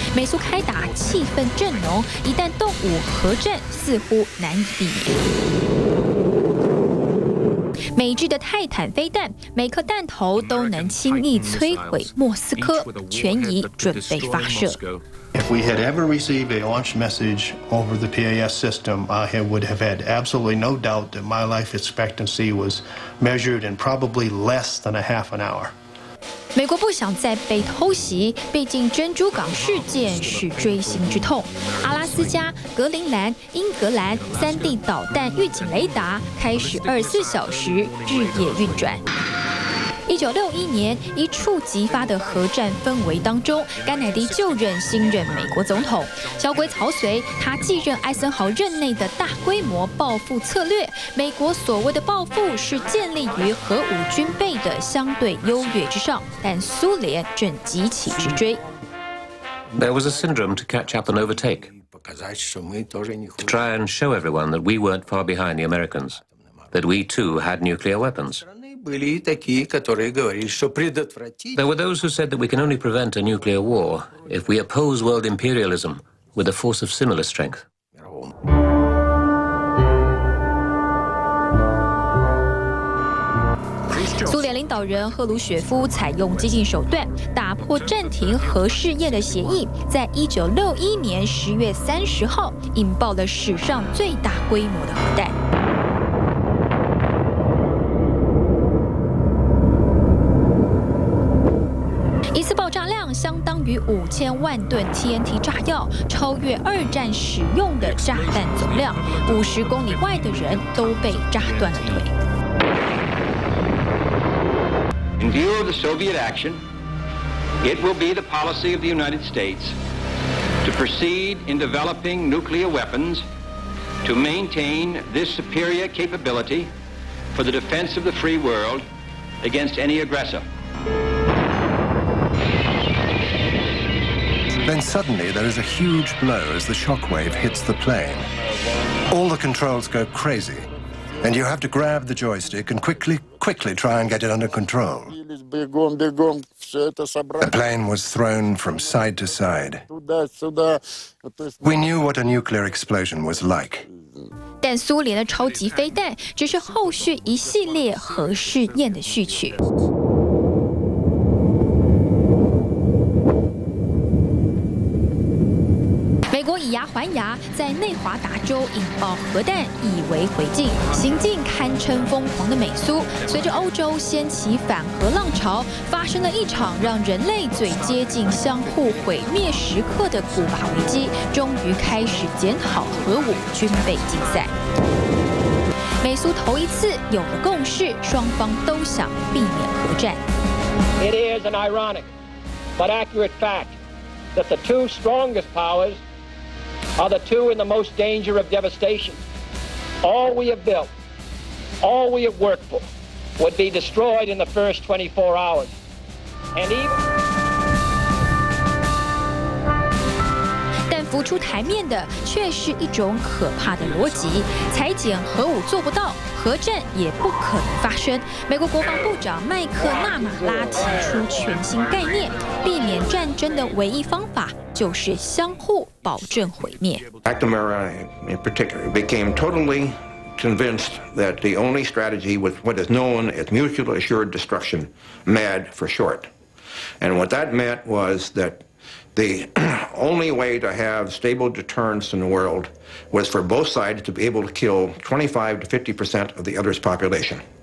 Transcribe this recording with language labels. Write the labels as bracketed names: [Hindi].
[Chinese] 美苏开打，气氛正浓，一旦动武，核战似乎难以避免。美制的泰坦飞弹，每颗弹头都能轻易摧毁莫斯科，全已准备发射。 [English] If we had ever received a launch message over the PAS system, I would have had absolutely no doubt that my life expectancy was measured in probably less than a half an hour. [Chinese] 美国不想再被偷袭，毕竟珍珠港事件是锥心之痛。阿拉斯加、格陵兰、英格兰三地导弹预警雷达开始24小时日夜运转。 1961年，一触即发的核战氛围当中，甘乃迪就任新任美国总统。小鬼曹随他继任艾森豪任内的大规模报复策略。美国所谓的报复是建立于核武军备的相对优越之上，但苏联正急起直追。 [English] There was a syndrome to catch up and overtake, to try and show everyone that we weren't far behind the Americans, that we too had nuclear weapons. There were those who said that we can only prevent a nuclear war if we oppose world imperialism with a force of similar strength. [Chinese] 苏联领导人赫鲁雪夫采用激进手段，打破暂停核试验的协议，在1961年10月30号引爆了史上最大规模的核弹。一次爆炸量相当于5000万吨 TNT 炸药，超越二战使用的炸弹总量。 50公里外的人都被炸断了腿。 [English] In view of the Soviet action, it will be the policy of the United States to proceed in developing nuclear weapons to maintain this superior capability for the defense of the free world against any aggressor. Then suddenly there is a huge blow as the shockwave hits the plane. All the controls go crazy. And you have to grab the joystick and quickly, quickly try and get it under control. The plane was thrown from side to side. We knew what a nuclear explosion was like. [Chinese] 但苏联的超级飞弹只是后续一系列核试验的序曲。美国以牙还牙，在内华达州引爆核弹，以为回敬，行径堪称疯狂的美苏，随着欧洲掀起反核浪潮，发生了一场让人类最接近相互毁灭时刻的古巴危机，终于开始检讨核武军备竞赛。美苏头一次有了共识，双方都想避免核战。 [English] It is an ironic but accurate fact that the two strongest powers. Are the two in the most danger of devastation. All we have built, all we have worked for, would be destroyed in the first 24 hours. And even. [Chinese] 但浮出台面的却是一种可怕的逻辑：裁减核武做不到，核战也不可能发生。美国国防部长麦克纳马拉提出全新概念，避免战争的唯一方法。就是相互保证毁灭。 [English] McNamara, in particular, became totally convinced that the only strategy was what is known as mutual assured destruction, MAD for short. And what that meant was that the only way to have stable deterrence in the world was for both sides to be able to kill 25% to 50% of the other's population.